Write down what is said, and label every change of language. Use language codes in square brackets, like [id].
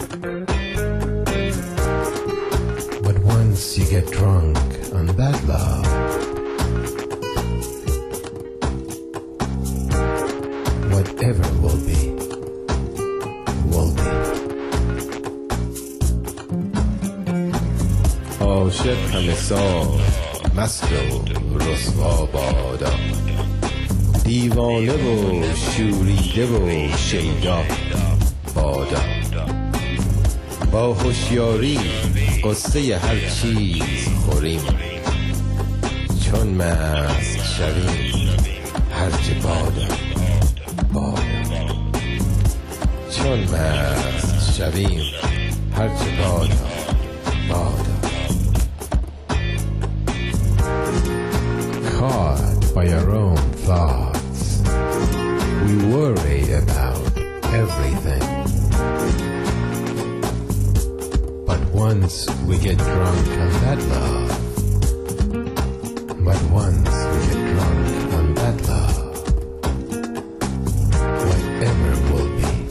[en] But once you get drunk on that love, whatever will be, will be. [fa] عاشق همه سال مست و رسوا بادا، دیوانه و شوریده و شیدا بادا. با هوشیاری قصه هر چیز خوریم، چون مست شویم هرچه بادا. چون مست شویم هرچه بادا بادا. [en] Caught by our own thoughts, we worry about everything. But once we get drunk on that love, but once we get drunk on that love, whatever will be.